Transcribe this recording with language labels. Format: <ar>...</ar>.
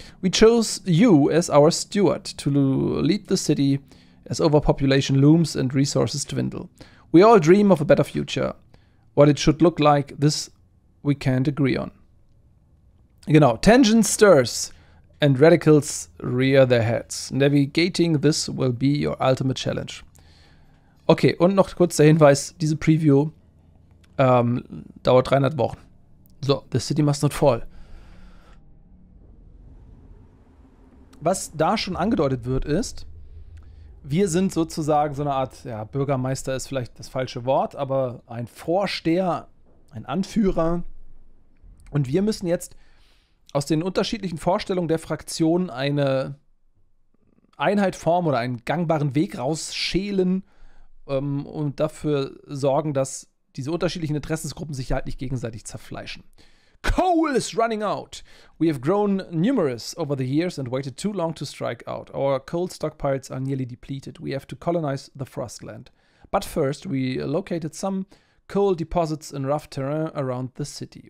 <en>We chose you as our steward to lead the city as overpopulation looms and resources dwindle. We all dream of a better future. What it should look like, this we can't agree on. Genau, tension stirs and radicals rear their heads. Navigating this will be your ultimate challenge.</en> <de>Okay, und noch kurz der Hinweis, diese Preview dauert 300 Wochen.</de> <en>So, the city must not fall.</en> <de>Was da schon angedeutet wird, ist, wir sind sozusagen so eine Art, ja, Bürgermeister ist vielleicht das falsche Wort, aber ein Vorsteher, ein Anführer. Und wir müssen jetzt aus den unterschiedlichen Vorstellungen der Fraktion eine Einheit formen oder einen gangbaren Weg rausschälen, und dafür sorgen, dass diese unterschiedlichen Interessensgruppen sich halt nicht gegenseitig zerfleischen.</de> <en>Coal is running out. We have grown numerous over the years and waited too long to strike out. Our coal stockpiles are nearly depleted. We have to colonize the Frostland. But first, we located some coal deposits in rough terrain around the city.</en>